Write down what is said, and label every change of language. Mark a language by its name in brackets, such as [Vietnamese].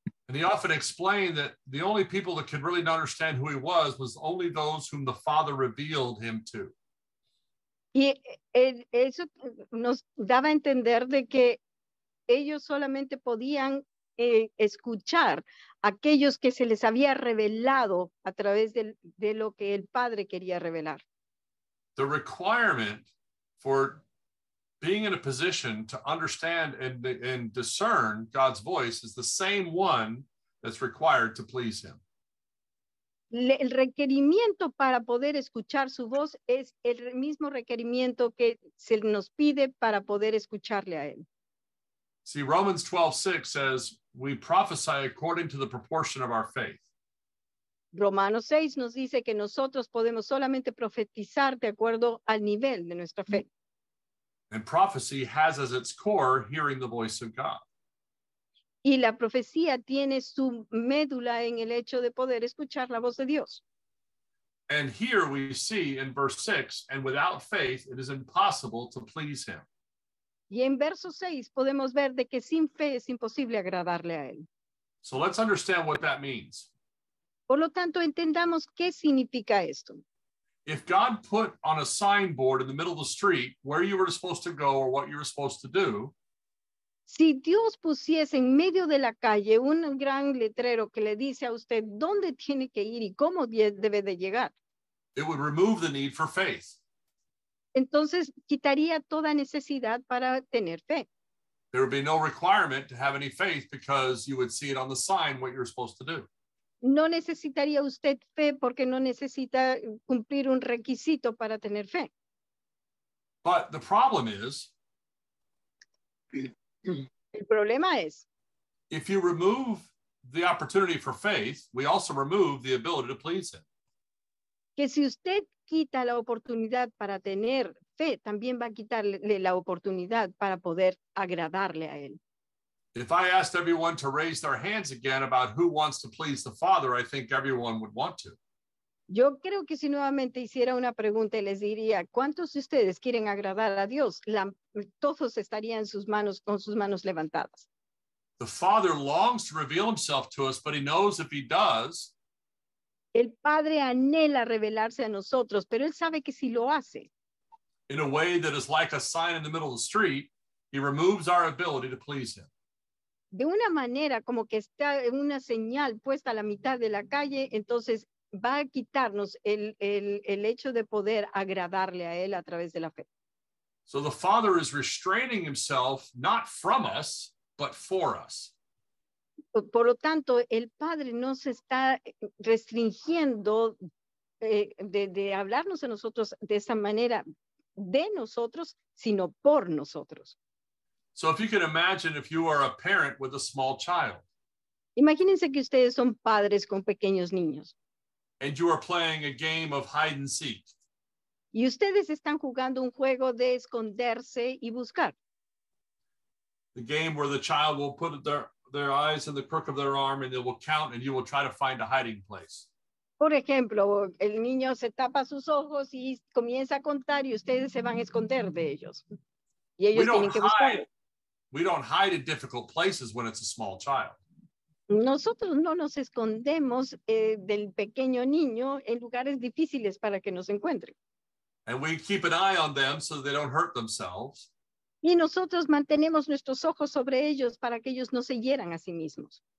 [English] And he often explained that the only people that could really understand who he was only those whom the Father revealed him to. [Spanish] Y eso nos daba a entender de que ellos solamente podían escuchar aquellos que se les había revelado a través de lo que el Padre quería revelar. [English] The requirement for being in a position to understand and discern God's voice is the same one that's required to please him. [Spanish] El requerimiento para poder escuchar su voz es el mismo requerimiento que se nos pide para poder escucharle a él. [English] See, Romans 12:6 says, we prophesy according to the proportion of our faith. [Spanish] Romanos 6 nos dice que nosotros podemos solamente profetizar de acuerdo al nivel de nuestra fe. [English] And prophecy has as its core hearing the voice of God. [Spanish] Y la profecía tiene su médula en el hecho de poder escuchar la voz de Dios. [English] And here we see in verse 6, and without faith it is impossible to please him. [Spanish] Y en verso 6 podemos ver de que sin fe es imposible agradarle a él. [English] So let's understand what that means. [Spanish] Por lo tanto, entendamos qué significa esto. [English] If God put on a signboard in the middle of the street where you were supposed to go or what you were supposed to do, [Spanish] si Dios pusiese en medio de la calle un gran letrero que le dice a usted dónde tiene que ir y cómo debe de llegar, [English] it would remove the need for faith. [Spanish] Entonces, quitaría toda necesidad para tener fe. [English] There would be no requirement to have any faith because you would see it on the sign what you're supposed to do. [Spanish] No necesitaría usted fe porque no necesita cumplir un requisito para tener fe. [English] But the problem is, [Spanish] el problema es, [English] if you remove the opportunity for faith, we also remove the ability to please him. [Spanish] Que si usted quita la oportunidad para tener fe, también va a quitarle la oportunidad para poder agradarle a él. [English] If I asked everyone to raise their hands again about who wants to please the Father, I think everyone would want to. [Spanish] Yo creo que si nuevamente hiciera una pregunta y les diría, ¿cuántos de ustedes quieren agradar a Dios? Todos estarían con sus manos levantadas. [English] The Father longs to reveal himself to us, but he knows if he does. [Spanish] El Padre anhela revelarse a nosotros, pero él sabe que si lo hace. [English] In a way that is like a sign in the middle of the street, he removes our ability to please him. [Spanish] De una manera como que está una señal puesta a la mitad de la calle, entonces va a quitarnos el hecho de poder agradarle a él a través de la fe. [English] So the Father is restraining himself not from us, but for us. [Spanish] Por lo tanto, el Padre no se está restringiendo de hablarnos a nosotros de esa manera de nosotros, sino por nosotros. [English] So if you can imagine if you are a parent with a small child. [Spanish] Imagínense que ustedes son padres con pequeños niños. [English] And you are playing a game of hide and seek. [Spanish] Y ustedes están jugando un juego de esconderse y buscar. [English] The game where the child will put their eyes in the crook of their arm and they will count and you will try to find a hiding place. [Spanish] Por ejemplo, el niño se tapa sus ojos y comienza a contar y ustedes se van a esconder de ellos. Y ellos tienen que buscar. [English] We don't hide in difficult places when it's a small child. [Spanish] Nosotros no nos escondemos del pequeño niño en lugares difíciles para que nos encuentren. [English] And we keep an eye on them so they don't hurt themselves. [Spanish] Y nosotros mantenemos nuestros ojos sobre ellos para que ellos no se hieran a sí mismos.